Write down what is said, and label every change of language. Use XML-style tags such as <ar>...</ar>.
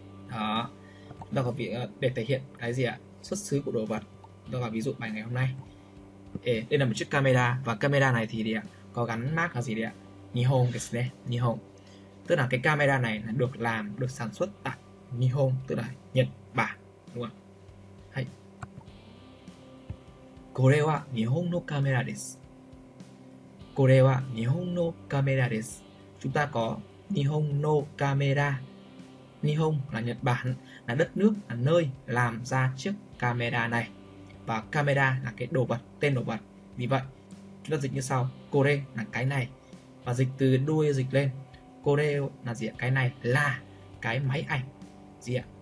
<vi>Đó, đó là việc để thể hiện cái gì ạ? Xuất xứ của đồ vật. Đó là ví dụ bài ngày hôm nay. Ê, đây là một chiếc camera, và camera này thì gì ạ? Có gắn mác là gì đấy ạ?</vi> <ja>Nihon desu ne,</ja> <vi>Nihon. Tức là cái camera này là được làm, được sản xuất tại Nihon, tức là Nhật Bản, đúng không ạ?</vi> <ja>これは日本のカメラです。これは日本のカメラです。</ja> <vi>Chúng ta có 日本のカメラ。 日本 là Nhật Bản, là đất nước, là nơi làm ra chiếc camera này. Và camera là cái đồ vật, tên đồ vật. Vì vậy, chúng ta dịch như sau. これ là cái này. Và dịch từ đuôi dịch lên. これ là gì ạ? Cái này là cái máy ảnh. Gì ạ?</vi>